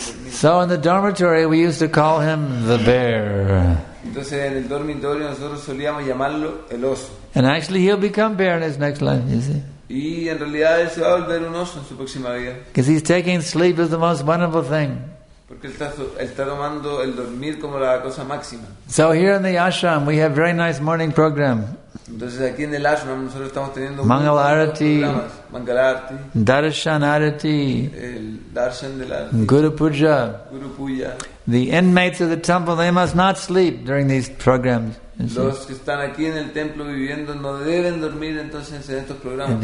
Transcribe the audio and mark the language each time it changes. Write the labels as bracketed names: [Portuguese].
[English] So in the dormitory, we used to call him the bear. [Spanish] Entonces, en el dormitorio, nosotros solíamos llamarlo el oso. [English] And actually, he'll become bear in his next life, you see. [Spanish] Y en realidad, él se va a volver un oso en su próxima vida. [English] Because he's taking sleep as the most wonderful thing. [Spanish] Porque él está tomando el dormir como la cosa máxima. [English] So here in the ashram we have very nice morning program. [Spanish] Entonces aquí en el ashram nosotros estamos teniendo [English] Mangal Arati, [Spanish] Mangal Arati, [English] Darshan Arati, [Spanish] el Darshan de la [English] Guru Puja. [Spanish] Guru Puja. [English] The inmates of the temple, they must not sleep during these programs. [Spanish] Los que están aquí en el templo viviendo no deben dormir entonces en estos programas.